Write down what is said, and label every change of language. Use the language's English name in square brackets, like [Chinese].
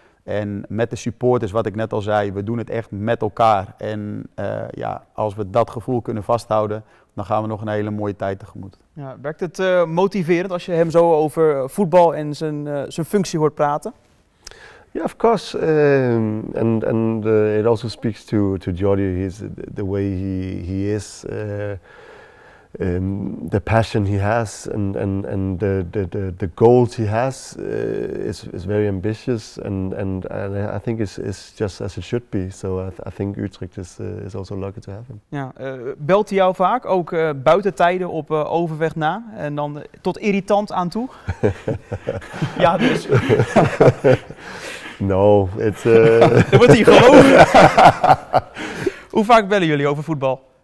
[Dutch] En met de supporters, wat ik net al zei, we doen het echt met elkaar. En ja, als we dat gevoel kunnen vasthouden, dan gaan we nog een hele mooie tijd tegemoet. Ja, werkt het motiverend als je hem zo over voetbal en zijn functie hoort praten? [English] Ja, of course. And it also speaks to Jordi, the way he is. The passion he has and the goals he has is very ambitious and I think it's just as it should be. So I think Utrecht is also lucky to have him. [Dutch] Ja, belt hij jou vaak ook buiten tijden op overweg na en dan tot irritant aan toe? Ja, dus. [English] No, it's. [Dutch] Dan wordt hij gewoon. Hoe vaak bellen jullie over voetbal?